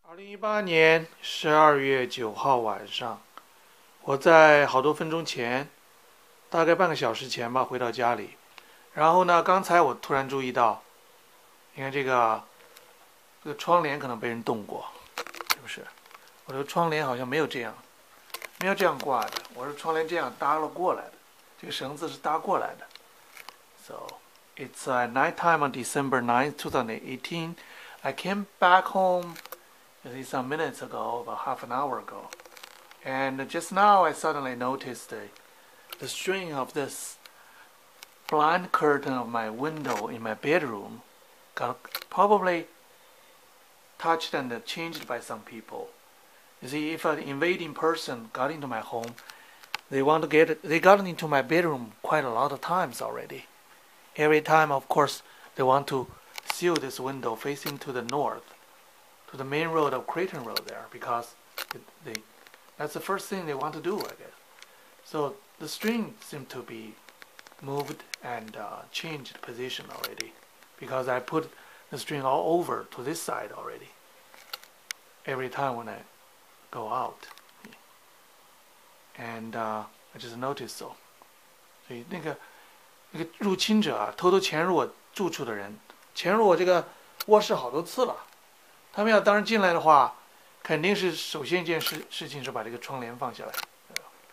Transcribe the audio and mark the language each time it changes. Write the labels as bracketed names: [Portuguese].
[Chinese] 2018年12月9号晚上，我在好多分钟前，大概半个小时前吧，回到家里。然后呢，刚才我突然注意到，你看这个窗帘可能被人动过，是不是？我说窗帘好像没有这样挂的，我说窗帘这样搭了过来的，这个绳子是搭过来的。 [English] So it's a night time on December 9th, 2018. I came back home. At least some minutes ago, about half an hour ago. And just now, I suddenly noticed the string of this blind curtain of my window in my bedroom got probably touched and changed by some people. You see, if an invading person got into my home, they got into my bedroom quite a lot of times already. Every time, of course, they want to seal this window facing to the north. To the main road of Creighton Road there, because that's the first thing they want to do, I guess. So the string seemed to be moved and changed position already, because I put the string all over to this side already, every time when I go out. And I just noticed so. [Chinese] 所以那个入侵者啊，偷偷潜入我住处的人，潜入我这个卧室好多次了。他们要当然进来的话，肯定是首先一件事情是把这个窗帘放下来，对吧？